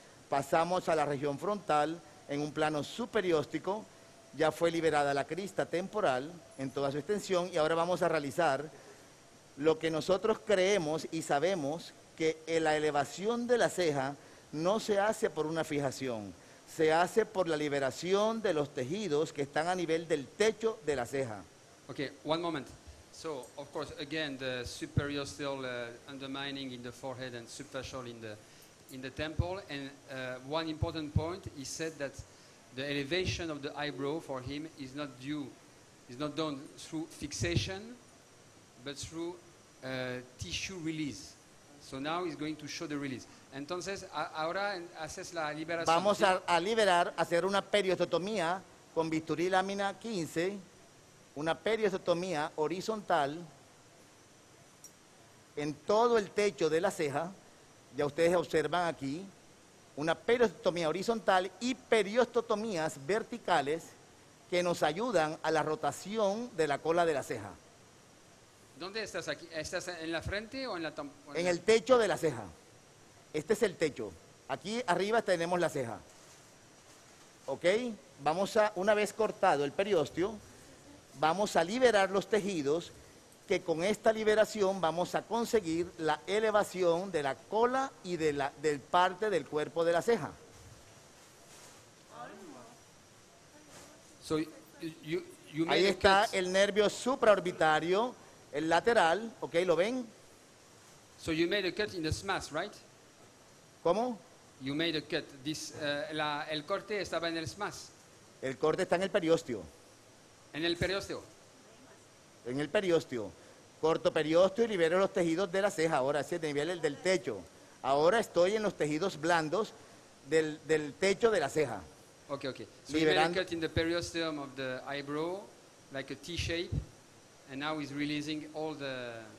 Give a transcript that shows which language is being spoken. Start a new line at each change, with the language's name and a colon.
Spanish: pasamos a la región frontal en un plano superióstico, ya fue liberada la crista temporal en toda su extensión y ahora vamos a realizar lo que nosotros creemos y sabemos, que la elevación de la ceja no se hace por una fijación, se hace por la liberación de los tejidos que están a nivel del techo de la ceja.
English: Okay, one moment. So, of course, again, the superiosteal undermining in the forehead and subfacial in the temple. And one important point, he said that the elevation of the eyebrow for him is not done through fixation, but through tissue release. So now he's going to show the release.
Spanish: Entonces, ahora haces la liberación. Vamos a liberar, hacer una periostotomía con bisturí lámina 15. Una periostotomía horizontal en todo el techo de la ceja. Ya ustedes observan aquí una periostotomía horizontal y periostotomías verticales que nos ayudan a la rotación de la cola de la ceja. ¿Dónde estás aquí? ¿Estás en la frente o en la En el techo de la ceja. Este es el techo. Aquí arriba tenemos la ceja. ¿Ok? Vamos a, una vez cortado el periósteo, vamos a liberar los tejidos que con esta liberación vamos a conseguir la elevación de la cola y de la del parte del cuerpo de la ceja.
English: So you
Spanish: ahí está el nervio supraorbitario, el lateral, ¿ok? ¿Lo ven?
English: So you made a cut in the smash, right?
Spanish: ¿Cómo?
English: You made a cut.
Spanish: El corte estaba en el smash. El corte está en el periósteo. En el periósteo. En el periósteo. Corto periósteo y libero los tejidos de la ceja. Ahora es el nivel del techo. Ahora estoy en los tejidos blandos del techo de la ceja.
English: Okay, okay. So
Spanish: liberando.
English: You made a cut in the periosteum of the eyebrow, like a T shape, and now he's releasing all the.